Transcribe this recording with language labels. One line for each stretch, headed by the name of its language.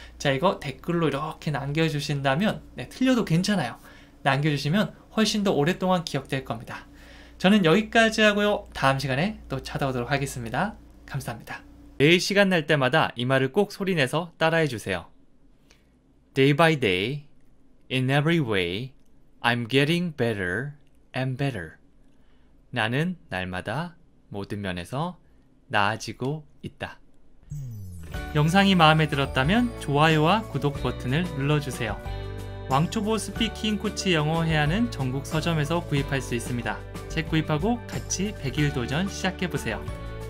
Korean: 자, 이거 댓글로 이렇게 남겨주신다면, 네, 틀려도 괜찮아요. 남겨주시면 훨씬 더 오랫동안 기억될 겁니다. 저는 여기까지 하고요. 다음 시간에 또 찾아오도록 하겠습니다. 감사합니다. 매일 시간 날 때마다 이 말을 꼭 소리내서 따라해주세요.
English: Day by day, in every way, I'm getting better and better.
Korean: 나는 날마다 모든 면에서 나아지고 있다. 영상이 마음에 들었다면 좋아요와 구독 버튼을 눌러주세요. 왕초보 스피킹 코치 영어 회화는 전국 서점에서 구입할 수 있습니다. 책 구입하고 같이 100일 도전 시작해보세요.